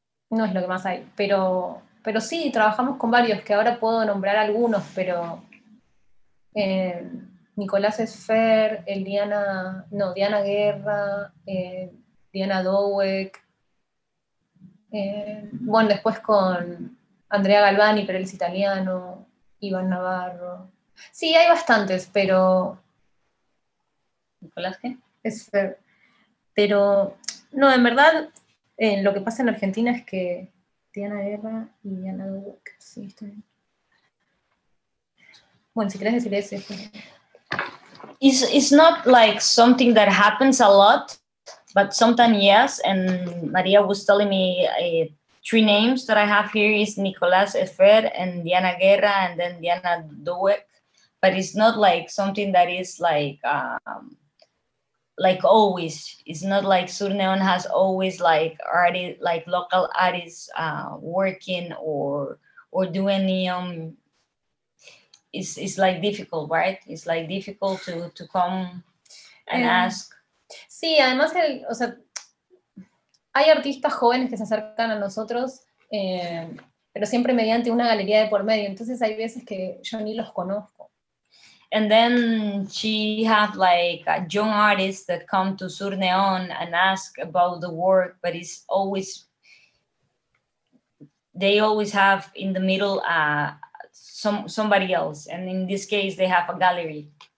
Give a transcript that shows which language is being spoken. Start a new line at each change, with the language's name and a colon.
Spanish: No es lo que más hay, pero sí, trabajamos con varios, que ahora puedo nombrar algunos, pero Nicolás Esfer, Diana Guerra, Diana Dowek, bueno, después con Andrea Galvani, pero él es italiano, Iván Navarro. Sí, hay bastantes, pero... ¿Nicolás qué? Esfer. Pero, no, en verdad... lo que pasa en Argentina es que Diana Guerra y Ana Duc, sí, está bien. Bueno, si quieres decir eso.
English: It's not like something that happens a lot, but sometimes yes, and Maria was telling me three names that I have here is Nicolás Efer and Diana Guerra and then Diana Duc, but it's not like something that is like always. It's not like Sur Neon has always local artists working or doing neon. It's like difficult, right? It's like difficult to come and ask.
Spanish: Sí, además, hay artistas jóvenes que se acercan a nosotros, pero siempre mediante una galería de por medio. Entonces hay veces que yo ni los conozco.
English: And then she had like a young artist that come to Sur Neon and ask about the work, but it's always, they always have in the middle somebody else. And in this case, they have a gallery.